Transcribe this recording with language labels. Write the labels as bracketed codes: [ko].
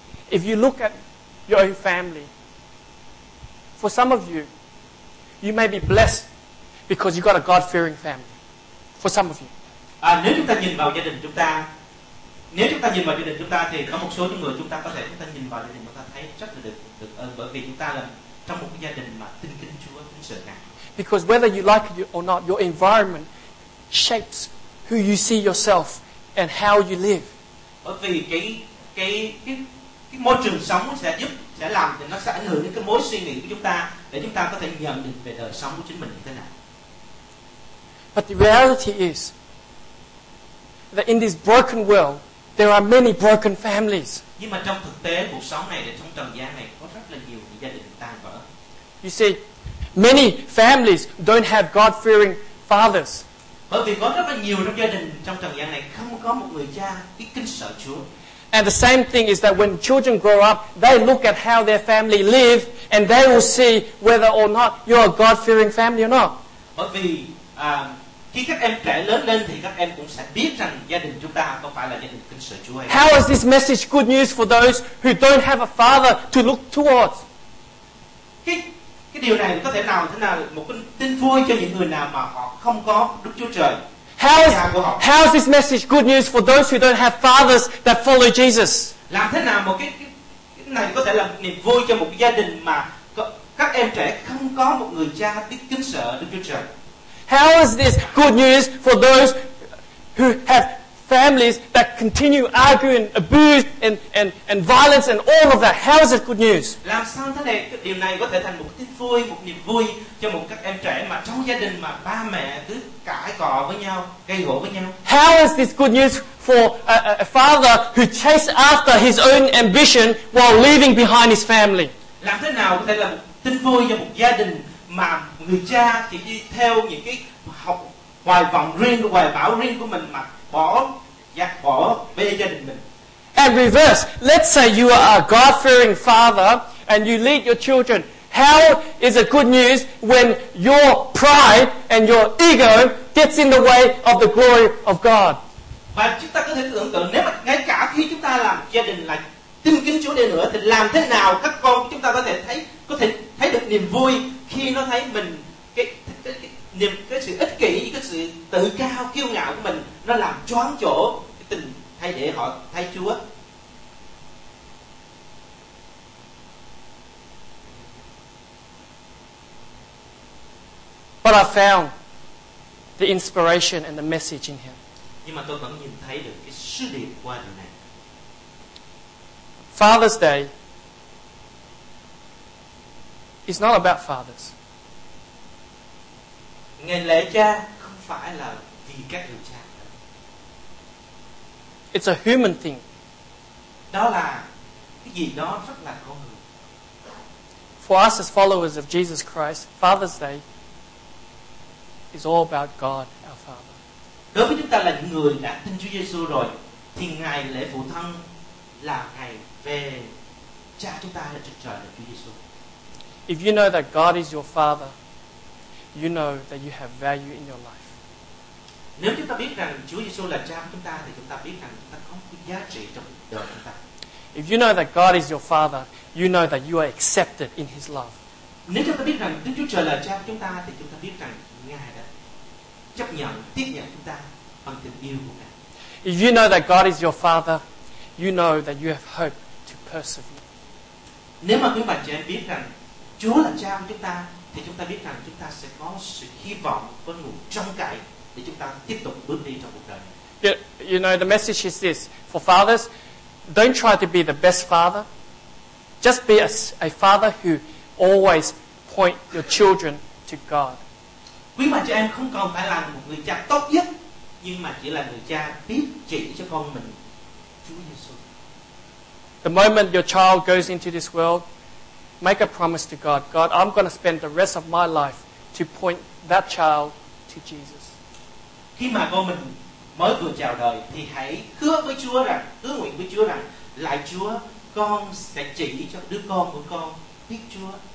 [en] If you look at your own family, for some of you, you may be blessed because you've got a God-fearing family. For some of you. [vi] Nếu chúng ta nhìn vào gia đình chúng ta, nếu chúng ta nhìn vào gia đình chúng ta thì có một số những người chúng ta nhìn vào gia đình chúng ta thấy rất là được ơn bởi vì chúng ta là trong một gia đình mà tin kính Chúa, tin sợ Ngài. [en] Because whether you like it or not, your environment shapes who you see yourself and how you live. [vi] Bởi vì cái môi trường sống sẽ ảnh hưởng đến cái mối suy nghĩ của chúng ta để chúng ta có thể nhận định về đời sống của chính mình như thế nào. [en] But the reality is that in this broken world, there are many broken families. [vi] Nhưng mà trong thực tế cuộc sống này, trong trần gian này, có rất là nhiều gia đình tan vỡ. [en] You see. Many families don't have God-fearing fathers. [vi] Bởi vì có rất là nhiều trong gia đình trong trần gian này không có một người cha biết kính sợ Chúa. [en] And the same thing is that when children grow up, they look at how their family live, and they will see whether or not you're a God-fearing family or not. [vi] Bởi vì khi các em trẻ lớn lên thì các em cũng sẽ biết rằng gia đình chúng ta có phải là gia đình kính sợ Chúa hay không. [en] How is this message good news for those who don't have a father to look towards? [vi] Cái điều này có thể nào thế nào một cái tin vui cho những người nào mà họ không có Đức Chúa Trời. [en] How is this message good news for those who don't have fathers that follow Jesus? [vi] Làm thế nào một cái này có thể là niềm vui cho một gia đình mà các em trẻ không có một người cha biết kính sợ Đức Chúa Trời. [en] How is this good news for those who have families that continue arguing, abuse and violence and all of that? How is it good news? [vi] Làm sao thế này, điều này có thể thành một tin vui, một niềm vui cho một các em trẻ mà trong gia đình mà ba mẹ cứ cãi cọ với nhau, gây gổ với nhau? [en] How is this good news for a father who chases after his own ambition while leaving behind his family? [vi] Làm thế nào có thể là một tin vui cho một gia đình mà người cha chỉ đi theo những cái học hoài vọng riêng, hoài bão riêng của mình mà bỏ về gia đình mình. [en] And reverse, let's say you are a God-fearing father and you lead your children. How is it good news when your pride and your ego gets in the way of the glory of God? [vi] Và chúng ta có thể tưởng tượng nếu mà ngay cả khi chúng ta làm gia đình là tin kính Chúa đi nữa thì làm thế nào các con của chúng ta có thể thấy được niềm vui khi nó thấy mình cái sự ích kỷ, cái sự tự cao kiêu ngạo của mình nó làm choáng chỗ cái tình thay để họ thay Chúa. [en] But I found the inspiration and the message in him. [vi] Nhưng mà tôi vẫn nhìn thấy được cái sứ điệp qua điều này. [en] Father's Day is not about fathers. [vi] Ngày lễ cha không phải là vì các người cha. [en] It's a human thing. [vi] Đó là cái gì đó rất là con người. [en] For us as followers of Jesus Christ, Father's Day is all about God, our Father. [vi] Đối với chúng ta là những người đã tin Chúa Giêsu rồi, thì ngày lễ phụ thân là ngày về cha chúng ta là trên trời là Chúa Giêsu. [en] If you know that God is your Father, you know that you have value in your life. [vi] Nếu chúng ta biết rằng Chúa Giêsu là cha của chúng ta, thì chúng ta biết rằng chúng ta có cái giá trị trong đời chúng ta. [en] If you know that God is your Father, you know that you are accepted in His love. [vi] Nếu chúng ta biết rằng Đức Chúa Trời là cha của chúng ta, thì chúng ta biết rằng Ngài đã chấp nhận, tiếp nhận chúng ta bằng tình yêu của Ngài. [en] If you know that God is your Father, you know that you have hope to persevere. [vi] Nếu mà quý bà chị em biết rằng Chúa là cha của chúng ta, thì chúng ta biết rằng chúng ta sẽ có sự hy vọng, có nguồn trông cậy để chúng ta tiếp tục bước đi trong cuộc đời. [en] You know, the message is this. For fathers, don't try to be the best father. Just be a father who always point your children to God. [vi] Quý bà chị em không còn phải là một người cha tốt nhất, nhưng mà chỉ là người cha biết chỉ cho con mình Chúa Giêsu. [en] The moment your child goes into this world, make a promise to God. God, I'm going to spend the rest of my life to point that child to Jesus. [vi] Khi mà con mình mới vừa chào đời thì hãy hứa với Chúa rằng, hứa nguyện với Chúa rằng, lạy Chúa, con sẽ chỉ cho đứa con của con biết Chúa.